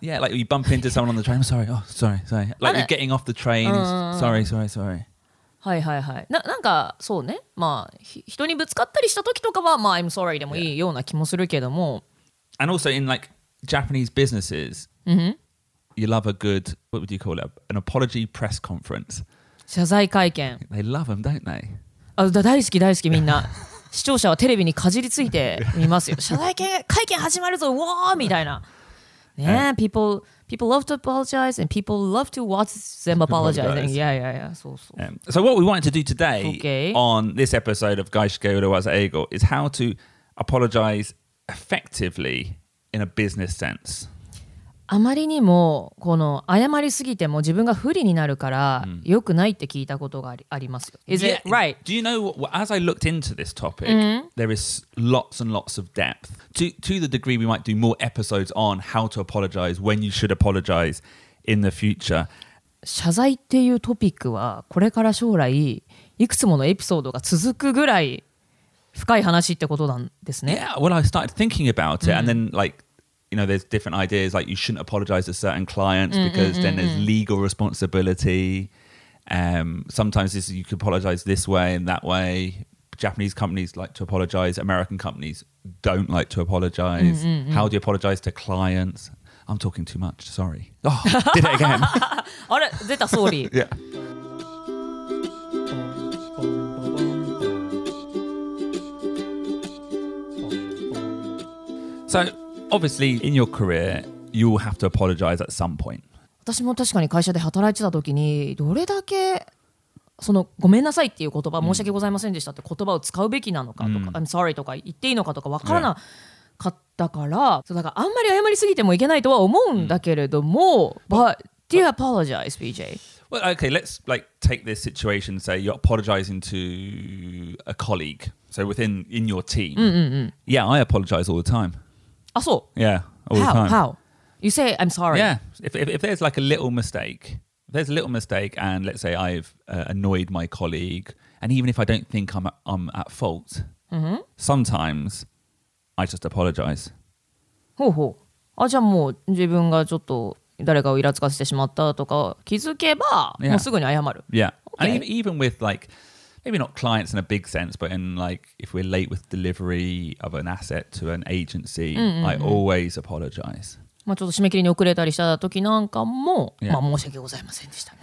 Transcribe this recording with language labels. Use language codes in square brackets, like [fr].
[en] like、you, Yeah, like you bump into someone on the train I'm sorry, oh, sorry, sorry Like you're getting off the train Sorry, sorry, sorry [ja] はいはいはいなんかそうねまあ人にぶつかったりしたときとかはまあ [en] I'm sorry [ja] でもいいような気もするけども、 [en] yeah. And also in like Japanese businesses Mm-hmm You love a good, what would you call it? An apology press conference. [ja] 謝罪会見 [en] They love them, don't they? [ja] あ、だ、大好き大好きみんな。視聴者はテレビにかじりついて見ますよ。謝罪会見始まるぞ、うわーみたいな。 [en] ね、people love to apologize and people love to watch them apologizing. Yeah, yeah, yeah. [ja] そうそう。 [en] So what we wanted to do today、 okay. on this episode of Gaishike Urawaza Eigo is how to apologize effectively in a business sense. [ja] あまりにもこの謝りすぎても自分が不利になるから良くないって聞いたことがありますよ。 [en] Is it right? Do you know what, as I looked into this topic, there is lots and lots of depth. To the degree we might do more episodes on how to apologize, when you should apologize in the future. [ja] 謝罪っていうトピックはこれから将来いくつものエピソードが続くぐらい深い話ってことなんですね。 [en] Yeah, well, I started thinking about it and then likeYou know, there's different ideas, like you shouldn't apologize to certain clients because then there's legal responsibility. Sometimes this, you can apologize this way and that way. Japanese companies like to apologize. American companies don't like to apologize. How do you apologize to clients? I'm talking too much, sorry. Oh, did it again. [ja] あれ、出た、sorry. [en] Yeah. Obviously, in your career, you will have to apologize at some point. [ja] 私も確かに会社で働いてた時にどれだけそのごめんなさいっていう言葉、申し訳ございませんでしたって言葉を使うべきなのかとか、 [en] I'm sorry [ja] とか言っていいのかとか分からなかったから、そうだからあんまり謝りすぎてもいけないとは思うんだけれども、 [en] But do you apologize, BJ? Well, okay, let's like take this situation, say you're apologizing to a colleague, so within in your team. Yeah, I apologize all the time. Ah, so? Yeah, all how, the time. How? You say, I'm sorry. Yeah, if there's like a little mistake, if there's a little mistake and let's say I've annoyed my colleague, and even if I don't think I'm at fault, sometimes I just apologize. [ja] ほうほう。あ、じゃあもう自分がちょっと誰かをイラつかせてしまったとか気づけば、もうすぐに謝る。 [en] Yeah. Okay. And even with like... Maybe not clients in a big sense, but in like if we're late with delivery of an asset to an agency, I always apologize. [ja] まあちょっと締め切りに遅れたりした時なんかも、まあ申し訳ございませんでした。